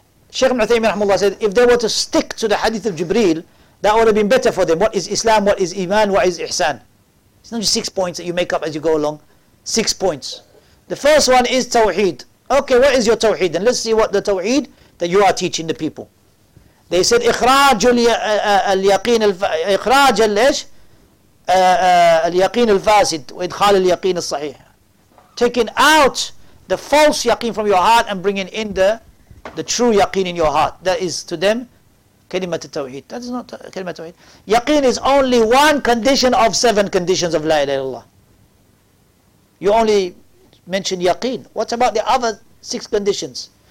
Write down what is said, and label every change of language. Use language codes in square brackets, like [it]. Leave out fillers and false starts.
[en] Sheikh Ibn Uthaymeen rahimahullah said, if they were to stick to the hadith of Jibreel, that would have been better for them. What is Islam? What is Iman? What is Ihsan? It's not just 6 points that you make up as you go along. 6 points. The first one is Tawheed. Okay, what is your Tawheed? And let's see what the Tawheed that you are teaching the people. They said, [ar] إخراج اليقين الفاسد وإدخال اليقين الصحيح. [en] Taking out the false yaqeen from your heart and bringing in the true yaqeen in your heart. That is to them, kalimat al-tawheed. That is not kalimat al-tawheed. Yaqeen is only one condition of 7 conditions of la ilaha illallah. You only mention yaqeen. What about the other 6 conditions?